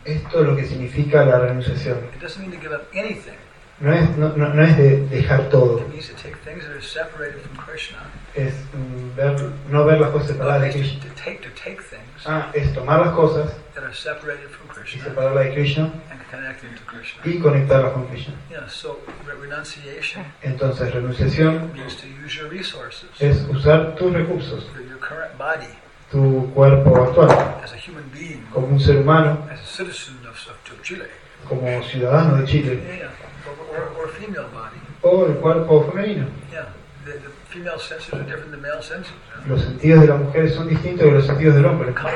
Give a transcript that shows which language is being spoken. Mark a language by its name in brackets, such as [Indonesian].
[Spanish] Esto es lo que significa la renunciación. [English] It doesn't mean to give up anything. [Spanish] No es de dejar todo. [English] It means to take things that are separated from Krishna. [Spanish] Es ver, no ver las cosas separadas de Krishna. [English] To take things. [Spanish] Ah, es tomar las cosas [English] that are separated from Krishna. [Spanish] Y separarlas de Krishna. [English] To [Spanish] y conectarlo con Krishna. [English] Yeah, so renunciation. [Spanish] Entonces renunciación [English] means to use your resources, [Spanish] es usar tus recursos, [English] your current body, [Spanish] tu cuerpo actual, [English] as a human being, [Spanish] como un ser humano, [English] as a citizen of Chile, [Spanish] como ciudadano de Chile, [English] yeah, or female body, [Spanish] o el cuerpo femenino. [English] Yeah, the female senses are different than male senses, yeah. [Spanish] Los sentidos de la mujer son distintos de los sentidos del hombre.